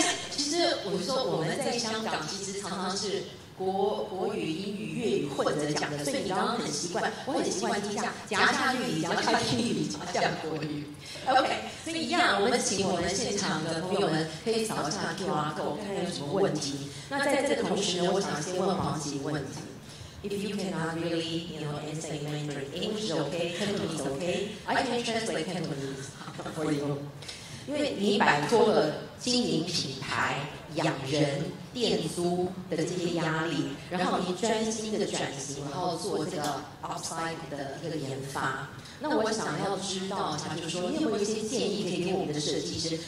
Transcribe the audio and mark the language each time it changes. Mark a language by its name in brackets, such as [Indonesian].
[Chinese] 其实我说我们在香港其实常常是国语、英语、粤语混着讲的，所以你刚刚很习惯，我很习惯听下夹下粤语，夹下英语，夹下国语。 OK， 所以一样，我们请我们现场的朋友们可以扫一下 QR code， 看有什么问题。那在这同时呢，我想先问黄琦问题。 [English] If you cannot really, you know, answer in Mandarin, English is okay, Cantonese is okay. I can translate Cantonese for you. [Chinese] 因为你摆脱了经营品牌、养人、店租的这些压力，然后你专心的转型，然后做这个 upside 的一个研发。那我想要知道一下，就是说，你有没有一些建议可以给我们的设计师？